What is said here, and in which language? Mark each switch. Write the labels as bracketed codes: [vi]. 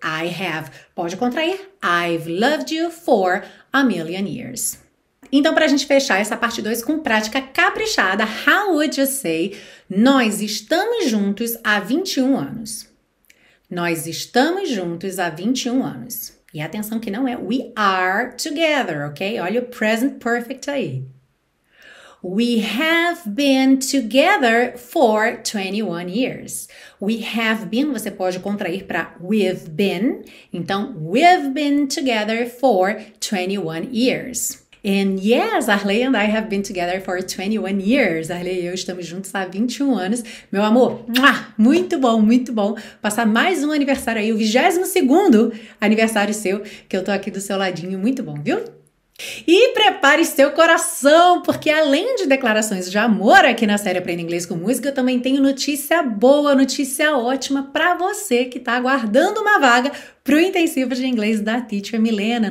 [en] I have, [pt] pode contrair, [en] I've loved you for a million years. [pt] Então, para a gente fechar essa parte 2 com prática caprichada, [en] how would you say, [pt] nós estamos juntos há 21 anos. Nós estamos juntos há 21 anos. E atenção que não é [en] "we are together", [pt] ok? Olha o present perfect aí. [en] "We have been together for 21 years. We have been, [pt] você pode contrair para [en] "we've been". [pt] Então, [en] "we've been together for 21 years. And yes, Arley and I have been together for 21 years. [pt] Arley e eu estamos juntos há 21 anos. Meu amor, muito bom, muito bom. Passar mais um aniversário aí, o 22º aniversário seu, que eu tô aqui do seu ladinho. Muito bom, viu? E prepare seu coração, porque além de declarações de amor aqui na série Aprenda Inglês com Música, eu também tenho notícia boa, notícia ótima para você que está aguardando uma vaga para o Intensivo de Inglês da Teacher Milena.